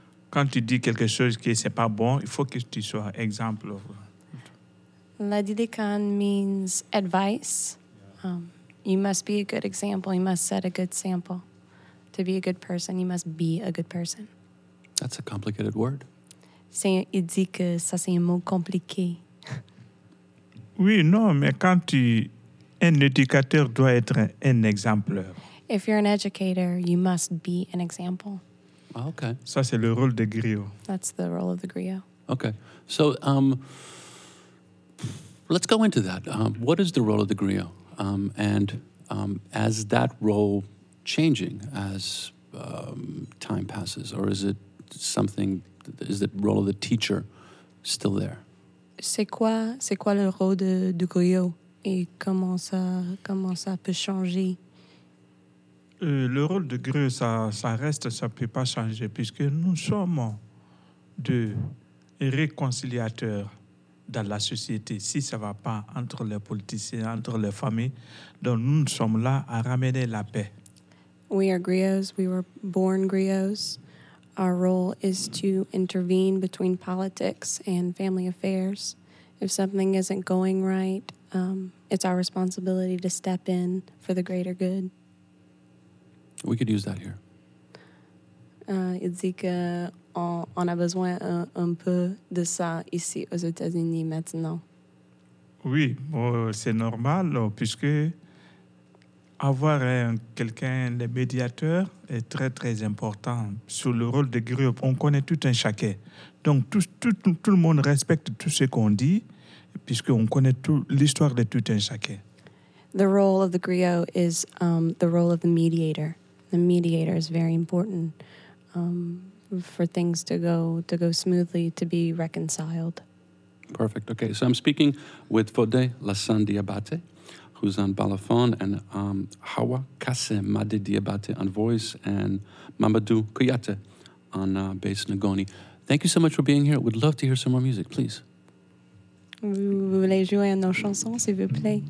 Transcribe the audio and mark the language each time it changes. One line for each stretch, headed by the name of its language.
French: Quand tu dis quelque chose qui n'est pas bon, il faut que tu sois exemple.
English: La Dilican means advice. You must be a good example. You must set a good sample. To be a good person, you must be a good person. That's a complicated word.
French: Il dit que ça, c'est un mot compliqué. Oui, non, mais quand tu... Un éducateur doit être un exemple.
English: If you're an educator, you must be an example. Okay.
French: Ça, c'est le rôle de griot.
English: That's the role of the griot. Okay. So, Let's go into that. What is the role of the griot? And as that role changing as time passes, or is it something, is the role of the teacher still there?
French: C'est quoi le rôle de griot et comment ça peut changer? Le rôle de griot, ça reste, ça ne peut pas changer, puisque nous sommes de réconciliateurs dans la société, si ça ne va pas entre les politiciens, entre les familles. Donc nous sommes là à ramener la paix.
English: We are griots, we were born griots. Our role is to intervene between politics and family affairs. If something isn't going right, it's our responsibility to step in for the greater good. We could use that here. It's like
French: on a besoin un peu de ça ici aux États-Unis maintenant. Oui, c'est normal puisque avoir quelqu'un, le médiateur, est très très important sur le rôle de groupe. On connaît tout un chacun, donc tout le monde respecte tout ce qu'on dit puisque on connaît tout l'histoire de tout un chacun.
English: The role of the griot is the role of the mediator. The mediator is very important for things to go smoothly, to be reconciled. Perfect. Okay, so I'm speaking with Fode Lassan Diabate, who's on balafon, and Hawa Kase Made Diabate on voice, and Mamadou Kouyate on bass Ngoni. Thank you so much for being here. Would love to hear some more music, please.
French: Vous voulez jouer à nos chansons, s'il vous plaît?